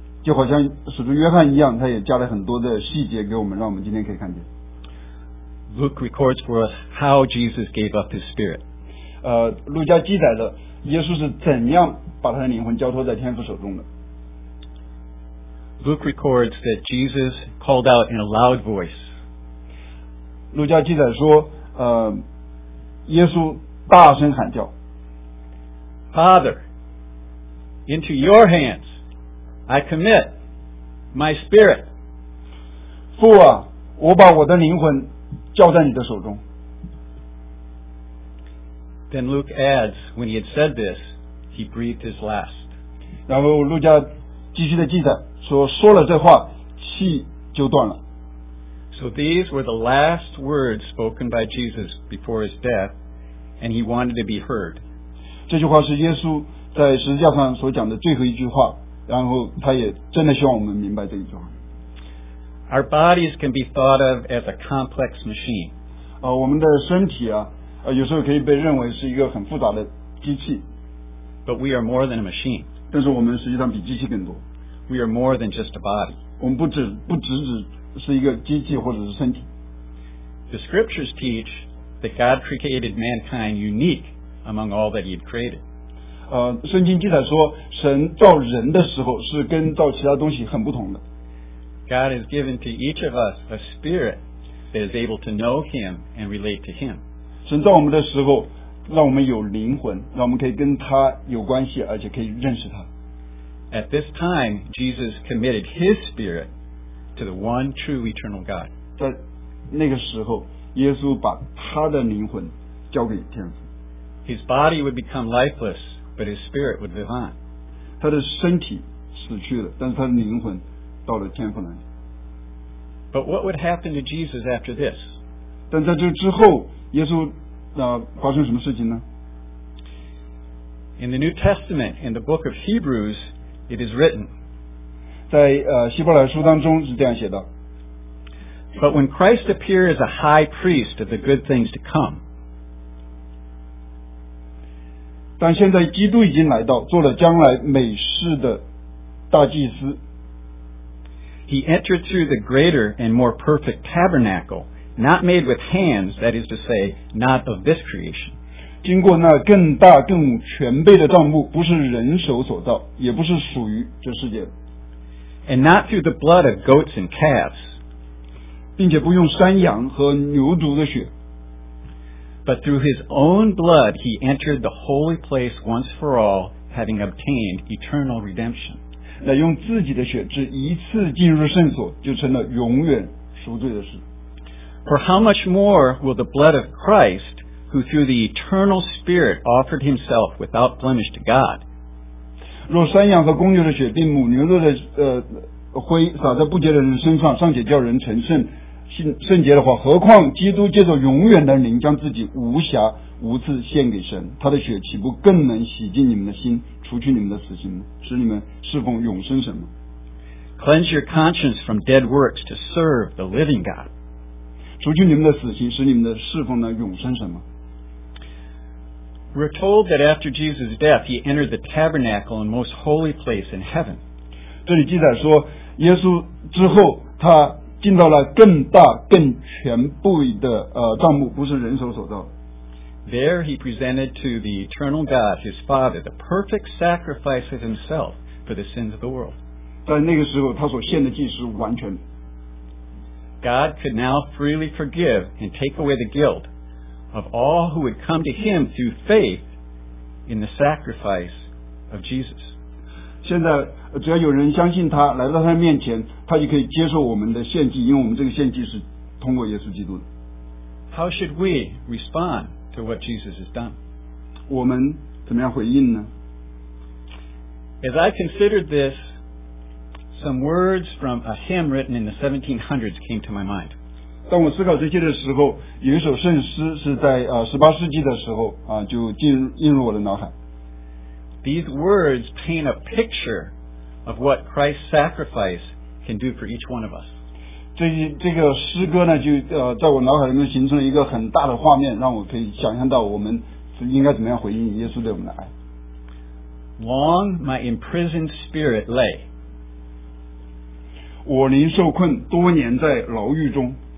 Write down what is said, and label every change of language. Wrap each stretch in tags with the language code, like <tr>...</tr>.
<zh>就好像使徒约翰一样，他也加了很多的细节给我们，让我们今天可以看见。</zh> <en>Luke records for us how Jesus gave up his spirit.</en> <zh>路加记载的耶稣是怎样把他的灵魂交托在天父手中的。</zh> <en>Luke records that Jesus called out in a loud voice.</en> <zh>路加记载说，耶稣大声喊叫。</zh> <en>Father, into your hands I commit my spirit.</en> <zh>父啊，我把我的灵魂交在你的手中。</zh> <en>Then Luke adds, when he had said this, he breathed his last.</en> <zh>然后路加继续的记载，说说了这话，气就断了。</zh> <en>So these were the last words spoken by Jesus before his death, and he wanted to be heard.</en> <zh>这句话是耶稣在十字架上所讲的最后一句话，然后他也真的希望我们明白这一句话。</zh> <en>Our bodies can be thought of as a complex machine.</en> <zh>我们的身体啊，有时候可以被认为是一个很复杂的机器。</zh> <en>But we are more than a machine.</en> <zh>但是我们实际上比机器更多。</zh> <en>We are more than just a body.</en> <zh>我们不只是一个机器或者是身体。</zh> <en>The scriptures teach that God created mankind unique among all that He had created.</en> <zh>圣经记载说，神造人的时候是跟造其他东西很不同的。</zh> <en>God has given to each of us a spirit that is able to know Him and relate to Him.</en> <zh>神造我们的时候，让我们有灵魂，让我们可以跟他有关系，而且可以认识他。</zh> <en>At this time, Jesus committed His spirit to the one true eternal God.</en> <zh>在那个时候，耶稣把他的灵魂交给天父。</zh> <en>His body would become lifeless, but His spirit would live on.</en> <zh>他的身体死去了，但是他的灵魂到了天父那里。</zh> <en>But what would happen to Jesus after this?</en> <zh>但在这之后，耶稣发生什么事情呢？</zh> <en>In the New Testament, in the book of Hebrews, it is written.</en> <zh>在希伯来书当中是这样写的。</zh> <en>But when Christ appeared as a high priest of the good things to come.</en> <zh>但现在基督已经来到，做了将来美事的大祭司。</zh> <en>He entered through the greater and more perfect tabernacle, not made with hands, that is to say, not of this creation.</en> <zh>经过那更大更全备的帐幕，不是人手所造，也不是属于这世界。</zh> <en>And not through the blood of goats and calves.</en> <zh>并且不用山羊和牛犊的血。</zh> <en>But through his own blood, he entered the holy place once for all, having obtained eternal redemption.</en> <zh>乃用自己的血只一次进入圣所，就成了永远赎罪的事。</zh> <en>For how much more will the blood of Christ, who through the eternal Spirit offered himself without blemish to God?</en> <zh>若山羊和公牛的血并母牛的灰洒在不洁的人身上，尚且叫人成圣圣洁的话，何况基督借着永远的灵将自己无瑕无次献给神，他的血岂不更能洗净你们的心，除去你们的死刑，使你们侍奉永生神吗？</zh> <en>Cleanse your conscience from dead works to serve the living God.</en> <zh>除去你们的死刑，使你们的侍奉呢永生神吗？</zh> <en>We're told that after Jesus' death, he entered the tabernacle and most holy place in heaven.</en> <zh>这里记载说，耶稣之后他进到了更大更全部的帐幕，不是人手所造。</zh> <en>There he presented to the eternal God, his Father, the perfect sacrifice of himself for the sins of the world.</en> <zh>在那个时候，他所献的祭是完全。</zh> <en>God could now freely forgive and take away the guilt of all who would come to him through faith in the sacrifice of Jesus.</en> <zh>现在只要有人相信他，来到他面前，他就可以接受我们的献祭，因为我们这个献祭是通过耶稣基督的。</zh> <en>How should we respond? To what Jesus has done.</en> <zh>我们怎么样回应呢？</zh> <en>As I considered this, some words from a hymn written in the 1700s came to my mind.</en> <zh>当我思考这些的时候，有一首圣诗是在18世纪的时候就映入我的脑海。</zh> <en>These words paint a picture of what Christ's sacrifice can do for each one of us.</en> <zh>这个诗歌呢就在我脑海里面形成了一个很大的画面，让我可以想象到我们应该怎么样回应耶稣对我们的爱。</zh> <en>Long my imprisoned spirit lay.</en> <zh>我灵受困，多年在牢狱中。</zh>